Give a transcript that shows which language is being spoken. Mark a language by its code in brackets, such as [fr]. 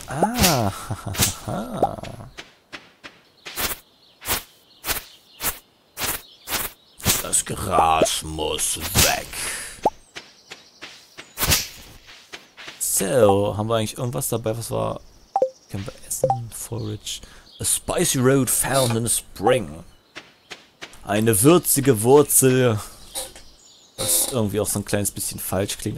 [de] Ah, hahaha. Das Gras muss weg. So, haben wir eigentlich irgendwas dabei, was wir... Können wir essen? Forage. [en] A spicy root found in a spring. [de] Eine würzige Wurzel. Was irgendwie auch so ein kleines bisschen falsch klingt.